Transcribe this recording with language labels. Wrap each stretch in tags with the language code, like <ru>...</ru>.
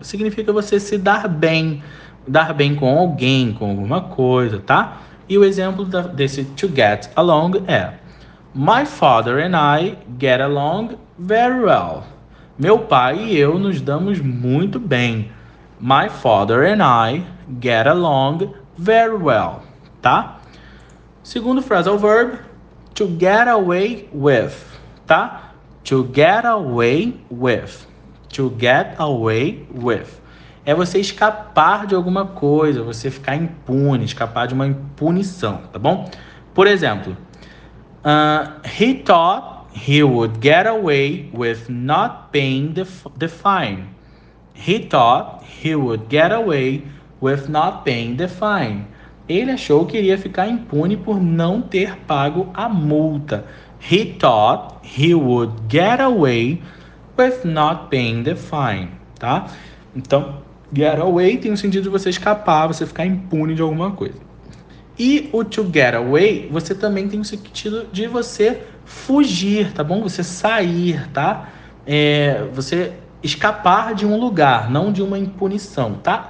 <pt>Significa você se dar bem com alguém, com alguma coisa, tá? E o exemplo desse to get along é:</pt> <en>My father and I get along very well.</en> <pt>Meu pai e eu nos damos muito bem.</pt> <en>My father and I get along very well, tá?</en> <pt>Segundo phrasal verb, to get away with, tá?</pt> <en>To get away with, to get away with.</en> <pt>É você escapar de alguma coisa, você ficar impune, escapar de uma punição, tá bom? Por exemplo,</pt> <en>he thought he would get away with not paying the fine. He thought he would get away with not paying the fine.</en> <pt>Ele achou que iria ficar impune por não ter pago a multa.</pt> <en>He thought he would get away with not paying the fine, tá?</en> <pt>Então, get away tem o sentido de você escapar, você ficar impune de alguma coisa. E o to get away, você também tem o sentido de você fugir, tá bom? Você sair, tá? Você escapar de um lugar, não de uma impunição, tá?</pt>